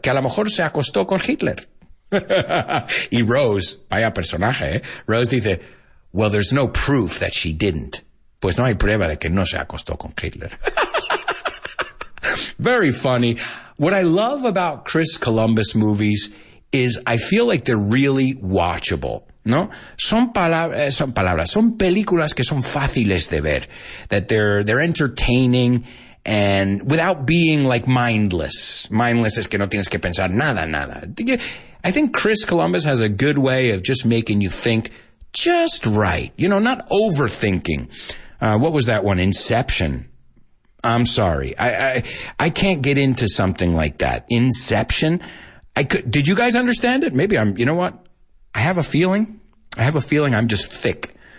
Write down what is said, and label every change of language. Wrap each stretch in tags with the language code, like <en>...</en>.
<es>Que a lo mejor se acostó con Hitler. Y Rose, vaya personaje, Rose dice,</es> <en>Well, there's no proof that she didn't.</en> <es>Pues no hay prueba de que no se acostó con Hitler.</es> <en>Very funny. What I love about Chris Columbus movies is I feel like they're really watchable.</en> <es>No, son películas que son fáciles de ver,</es> <en>that they're entertaining and without being like mindless.</en> <es>Mindless es que no tienes que pensar nada.</es> <en>I think Chris Columbus has a good way of just making you think just right. You know, not overthinking. What was that one? Inception. I'm sorry. I can't get into something like that. Inception. Did you guys understand it? Maybe you know what? I have a feeling I'm just thick.</en>